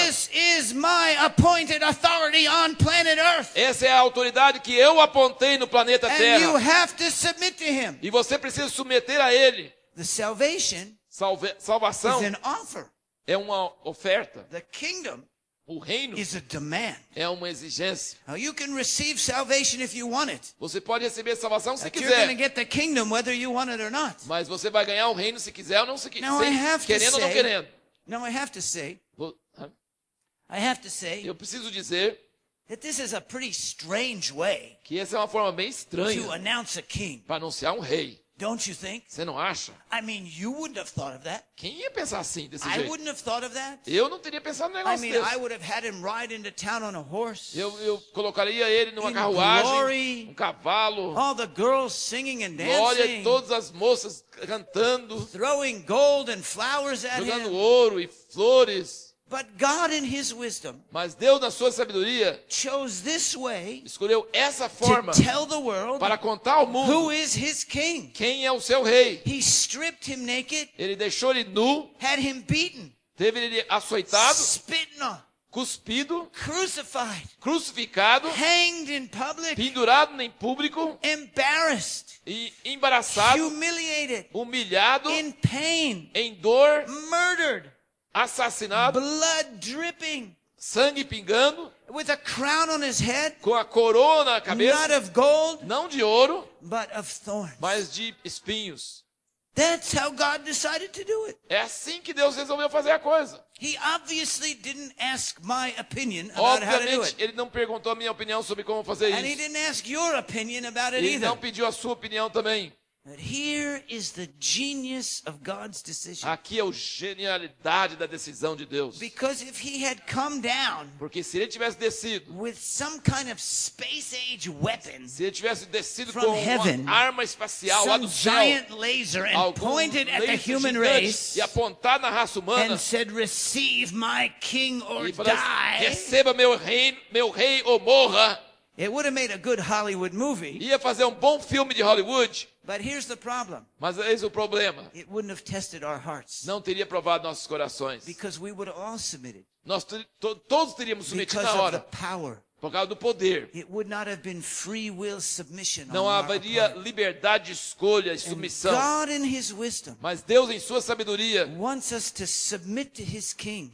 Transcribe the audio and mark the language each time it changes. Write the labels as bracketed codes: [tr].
[en] This is my appointed authority on planet Earth. [pt] Essa é a autoridade que eu apontei no planeta Terra. [en] And you have to submit to him. [pt] E você precisa submeter a ele. [en] The salvation [pt] salvação [en] is an offer. [pt] É uma oferta. [en] The kingdom [pt] o reino [en] is a demand. [pt] É uma exigência. [en] Now you can receive salvation if you want it. [pt] Você pode receber a salvação se [en] But [pt] quiser. [en] You're going to get the kingdom whether you want it or not. [pt] Mas você vai ganhar o reino se quiser ou não se quiser. [en] Now I have [pt] querendo [en] to say, [pt] ou não querendo. [en] Now I have to say, I have to say, [pt] eu preciso dizer [en] that this is a pretty strange way [pt] que essa é uma forma bem estranha [en] to announce a king. [pt] Para anunciar um rei. [en] Don't you think? [pt] Você não acha? [en] I mean, you wouldn't have thought of that. [pt] Quem ia pensar assim desse [en] I [pt] jeito? [en] Wouldn't have thought of that. [pt] Eu não teria pensado no negócio [en] I mean, [pt] desse. [en] I would have had him ride into town on a horse. [pt] Eu colocaria ele numa [en] in [pt] carruagem, [en] glory, [pt] um cavalo. [en] All the girls singing and dancing. [pt] Glória, todas as moças cantando. [en] Throwing gold and flowers at [pt] jogando [en] him. [pt] Ouro e flores. [en] But God in his wisdom, [pt] mas Deus na sua sabedoria, [en] chose this way, [pt] escolheu essa forma, [en] to tell the world, [pt] para contar ao mundo, [en] who is his king, [pt] quem é o seu rei, [en] he stripped him naked, [pt] ele deixou ele nu, [en] had him beaten, [pt] teve ele açoitado, [en] spitting on, [pt] cuspido, [en] crucified, [pt] crucificado, [en] hanged in public, [pt] pendurado em público, [en] embarrassed, [pt] e embaraçado, [en] humiliated, [pt] humilhado, [en] in pain, [pt] em dor, [en] murdered. [pt] Assassinado, [en] blood dripping, [pt] sangue pingando, [en] with a crown on his head, [pt] com a coroa na cabeça, [en] not of gold, [pt] não de ouro, [en] but of thorns, [pt] mas de espinhos. [en] That's how God decided to do it. [pt] É assim que Deus resolveu fazer a coisa. [en] He obviously didn't ask my opinion about [pt] obviamente, [en] how to do it. [pt] Obviamente, ele não perguntou a minha opinião sobre como fazer [en] and [pt] isso. [en] And he didn't ask your opinion about it [pt] ele [en] either. [pt] Não pediu a sua opinião também. [en] Here is the genius of God's decision. [pt] Aqui é a genialidade da decisão de Deus. [en] Because if he had come down, [pt] porque se ele tivesse descido, [en] with some kind of space age weapon, [pt] se ele tivesse descido com heaven, uma arma espacial, [en] some [pt] lá do céu, [en] giant laser and pointed at the human race, [pt] e apontado na raça humana, [en] and said, "Receive my king or [pt] e falasse, [en] die." [pt] Receba meu rei ou morra. [en] It would have made a good Hollywood movie. [pt] Ia fazer bom filme de Hollywood. [en] But here's the problem. [pt] Mas eis o problema. [en] It wouldn't have tested our hearts. [pt] Não teria provado nossos corações. [en] Because we would have all submitted. [pt] Nós todos teríamos submetido [en] because [pt] na hora. [en] Of the power. [pt] Por causa do poder. [en] It would not have been free will submission. [pt] Não haveria liberdade de escolha e submissão. [en] God in his wisdom. [pt] Mas Deus em sua sabedoria. [en] Wants us to submit to his king.